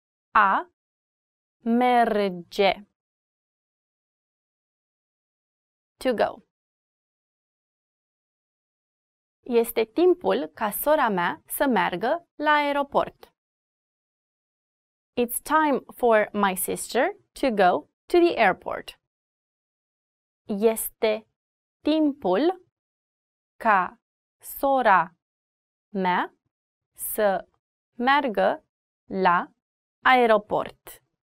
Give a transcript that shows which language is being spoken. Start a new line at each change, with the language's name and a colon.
Romanian: A merge.
English: To go.
Romanian: Este timpul ca sora mea să meargă la aeroport.
English: It's time for my sister to go to the airport.
Romanian: Este timpul ca sora mea să meargă la aeroport.